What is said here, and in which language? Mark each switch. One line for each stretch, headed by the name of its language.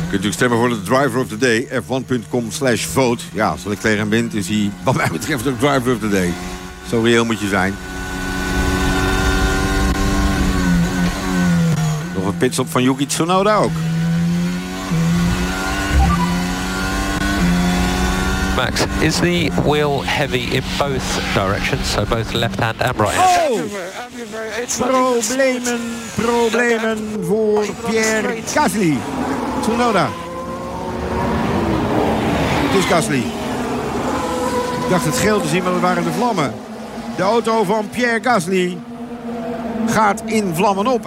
Dutch: Stemmen voor de
English: driver of the day.
Dutch: F1.com/vote. Ja, als Leclerc hem wint, is hij wat mij betreft ook driver of the day. Zo reëel moet je zijn. Nog een pitstop van Yuki Tsunoda ook.
English: Max, is the wheel heavy in both directions? So both left hand and right hand. Oh!
Dutch: Problemen voor Pierre Gasly. Tsunoda. Het is Gasly. Ik dacht het geel te zien, maar het waren de vlammen. De auto van Pierre Gasly gaat in vlammen op.